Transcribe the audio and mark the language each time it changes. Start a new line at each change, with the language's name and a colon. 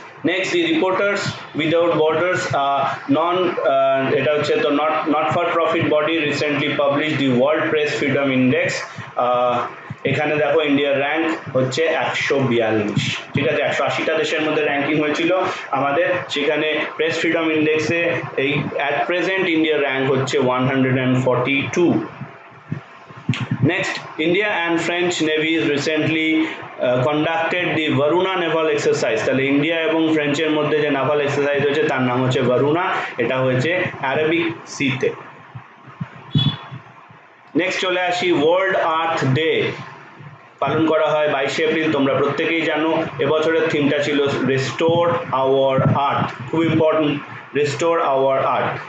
Bangla: Next,
English: the reporters without borders non এটা হচ্ছে তো not for profit body recently publish the world press freedom index,
Bangla: এখানে দেখো ইন্ডিয়ার র্যাঙ্ক হচ্ছে 142, ঠিক আছে, 180টা দেশের মধ্যে র্যাঙ্কিং হয়েছিল আমাদের, সেখানে প্রেস ফ্রিডম ইন্ডেক্সে এই অ্যাট প্রেজেন্ট ইন্ডিয়ার র্যাঙ্ক হচ্ছে 142।
English: Next, India and French Navy recently conducted the Varuna naval exercise.
Bangla: তাহলে ইন্ডিয়া এবং ফ্রেঞ্চের মধ্যে যে নাভাল এক্সারসাইজ হয়েছে তার নাম হচ্ছে ভারুনা, এটা হয়েছে আরবিক সিতে। নেক্সট চলে আসি ওয়ার্ল্ড আর্থ ডে, পালন করা হয় 22 এপ্রিল, তোমরা প্রত্যেকেই জানো। এবছরের থিমটা ছিল
English: restore our earth,
Bangla: খুব ইম্পর্টেন্ট, রেস্টোর আওয়ার আর্থ।